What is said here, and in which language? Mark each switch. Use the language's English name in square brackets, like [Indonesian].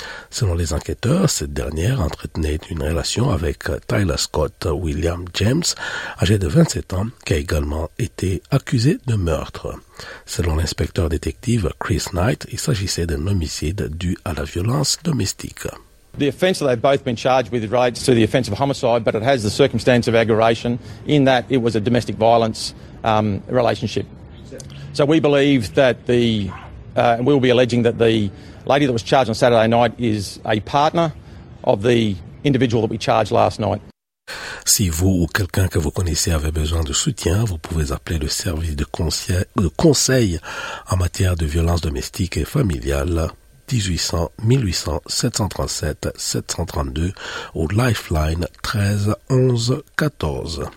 [French] Selon les enquêteurs, cette dernière entretenait une relation avec Tyler Scott William James, âgé de 27 ans, qui a également été accusé de meurtre. Selon l'inspecteur détective Chris Knight, il s'agissait d'un homicide dû à la violence domestique. [English] The offence that they've both been charged with relates to the offence of homicide, but it has the circumstance of aggravation in that it was a domestic violence relationship. So we believe that the we will be alleging that the lady that was charged on Saturday night is a partner of the individual that we charged last night. [French] Si vous ou quelqu'un que vous connaissez avez besoin de soutien, vous pouvez appeler le service de conseil en matière de violence domestique et familiale 1800 1800 737 732 ou Lifeline 13 11 14.